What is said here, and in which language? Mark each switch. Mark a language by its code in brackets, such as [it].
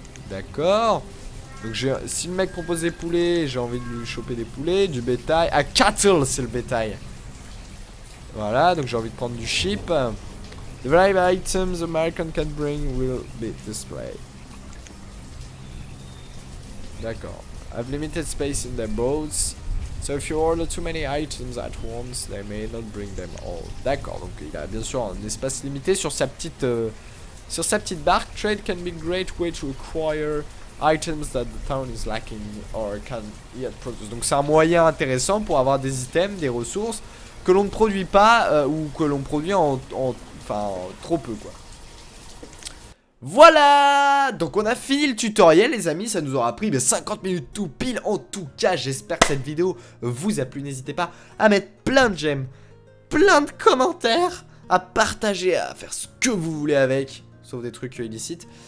[fr] D'accord. Donc si le mec propose des poulets, j'ai envie de lui choper des poulets, du bétail. Ah, cattle, c'est le bétail. Voilà, donc j'ai envie de prendre du sheep. [en] The valuable items American can bring will be displayed. D'accord. I've limited space in their boats. So if you order too many items at once, they may not bring them all. [fr] D'accord, donc il a bien sûr un espace limité sur sa petite... Sur sa petite barque, [en] trade can be a great way to acquire items that the town is lacking or can yet produce. [fr] Donc c'est un moyen intéressant pour avoir des items, des ressources que l'on ne produit pas ou que l'on produit en trop peu quoi. Voilà, donc on a fini le tutoriel les amis, ça nous aura pris 50 minutes tout pile. En tout cas, j'espère que cette vidéo vous a plu. N'hésitez pas à mettre plein de j'aime, plein de commentaires, à partager, à faire ce que vous voulez avec, sauf des trucs illicites.